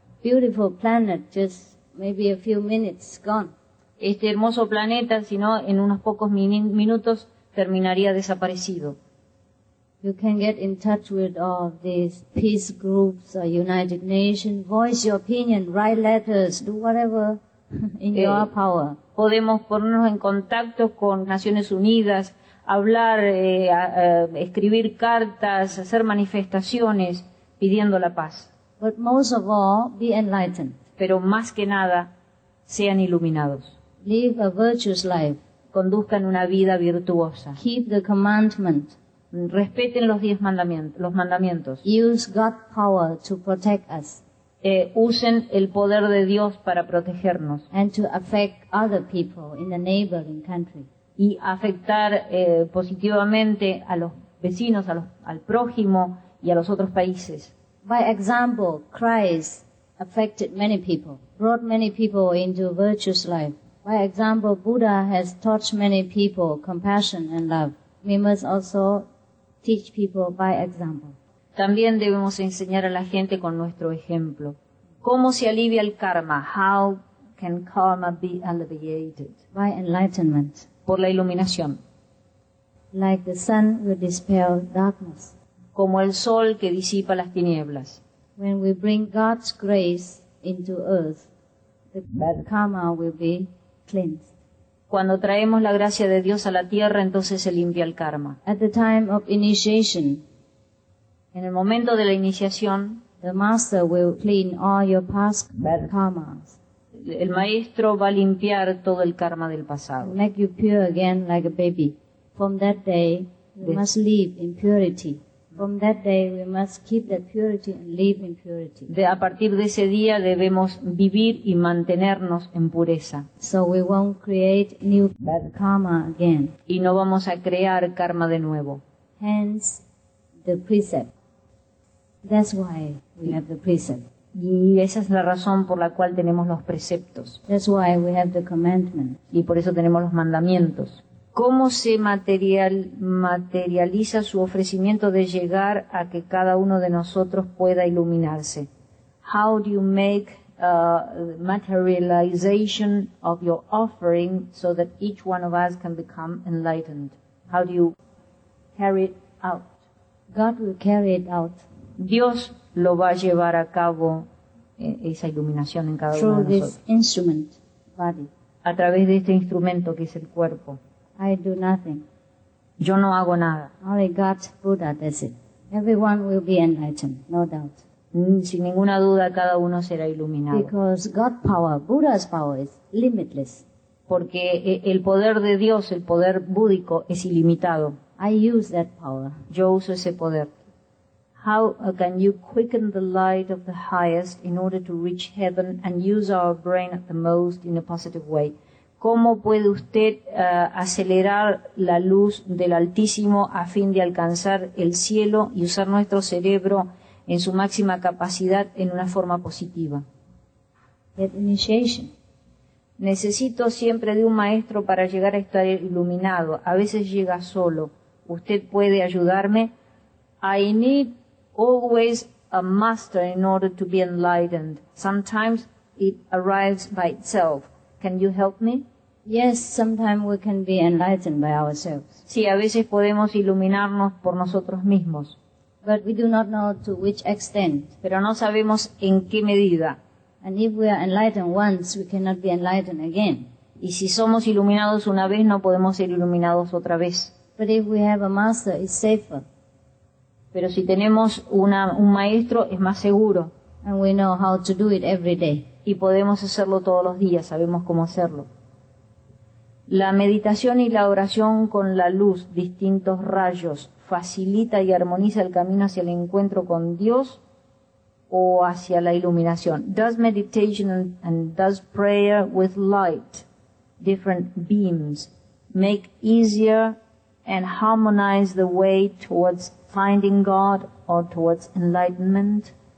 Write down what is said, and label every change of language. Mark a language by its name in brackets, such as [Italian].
[English] Beautiful planet, just maybe a few minutes gone. [Spanish] Este hermoso planeta, si no, en unos pocos minutos terminaría desaparecido. [English] You can get in touch with all these peace groups or United Nations. Voice your opinion, write letters, do whatever in your power. [Spanish] Podemos ponernos en contacto con Naciones Unidas, hablar, escribir cartas, hacer manifestaciones, pidiendo la paz. [English] But most of all, be enlightened. [Spanish] Pero más que nada, sean iluminados. [English] Live a virtuous life. [Spanish] Conduzcan una vida virtuosa. [English] Keep the commandment. [Spanish] Respeten los 10 mandamientos, los mandamientos. [English] Use God power to protect us. [Spanish] Usen el poder de Dios para protegernos. [English] And to affect other people in the neighboring country. [Spanish] Y afectar positivamente a los vecinos, al prójimo y a los otros países. [English] By example, Christ affected many people, brought many people into a virtuous life. By example, Buddha has taught many people compassion and love. We must also teach people by example. [Spanish] También debemos enseñar a la gente con nuestro ejemplo. ¿Cómo se alivia el karma? [English] How can karma be alleviated? By enlightenment. [Spanish] Por la iluminación. [English] Like the sun will dispel darkness. [Spanish] Como el sol que disipa las tinieblas. [English] When we bring God's grace into earth, the karma will be cleansed. [Spanish] Cuando traemos la gracia de Dios a la tierra, entonces se limpia el karma. [English] At the time of initiation, [Spanish] en el momento de la iniciación, [English] the master will clean all your past karmas. [Spanish] El maestro va a limpiar todo el karma del pasado. [English] Make you pure again like a baby. From that day, we must live in purity. From that day, we must keep that purity and live in purity. [Spanish] A partir de ese día debemos vivir y mantenernos en pureza. [English] So we won't create new karma again. [Spanish] Y no vamos a crear karma de nuevo. [English] Hence, the precept. That's why we have the precept. [Spanish] Y esa es la razón por la cual tenemos los preceptos. [English] That's why we have the commandment. [Spanish] Y por eso tenemos los mandamientos. ¿Cómo se materializa su ofrecimiento de llegar a que cada uno de nosotros pueda iluminarse? [English] How do you make materialization of your offering so that each one of us can become enlightened? How do you carry it out? God will carry it out. [Spanish] Dios lo va a llevar a cabo esa iluminación en cada [English] through [Spanish] uno de nosotros. [English] This instrument, body. [Spanish] A través de este instrumento que es el cuerpo. [English] I do nothing. [Spanish] Yo no hago nada. [English] Only God, Buddha, does it. Everyone will be enlightened, no doubt. [Spanish] Sin ninguna duda, cada uno será iluminado. [English] Because God's power, Buddha's power, is limitless. [Spanish] Porque el poder de Dios, el poder búdico, es ilimitado. [English] I use that power. [Spanish] Yo uso ese poder. [English] How can you quicken the light of the highest in order to reach heaven and use our brain at the most in a positive way? [Spanish] ¿Cómo puede usted acelerar la luz del Altísimo a fin de alcanzar el cielo y usar nuestro cerebro en su máxima capacidad en una forma positiva? [English] Get initiation. [Spanish] Necesito siempre de un maestro para llegar a estar iluminado. A veces llega solo. ¿Usted puede ayudarme? [English] I need always a master in order to be enlightened. Sometimes it arrives by itself. Can you help me? Yes, sometimes we can be enlightened by ourselves. [Spanish] Sí, a veces podemos iluminarnos por nosotros mismos. [English] But we do not know to which extent. [Spanish] Pero no sabemos en qué medida. [English] And if we are enlightened once, we cannot be enlightened again. [Spanish] Y si somos iluminados una vez, no podemos ser iluminados otra vez. [English] But if we have a master, it's safer. [Spanish] Pero si tenemos un maestro, es más seguro. [English] And we know how to do it every day. [Spanish] Y podemos hacerlo todos los días, sabemos cómo hacerlo. La meditación y la oración con la luz, distintos rayos, ¿facilita y armoniza el camino hacia el encuentro con Dios o hacia la iluminación? [English] Does meditation and does prayer with light, different beams, make easier and harmonize the way towards finding God or towards enlightenment?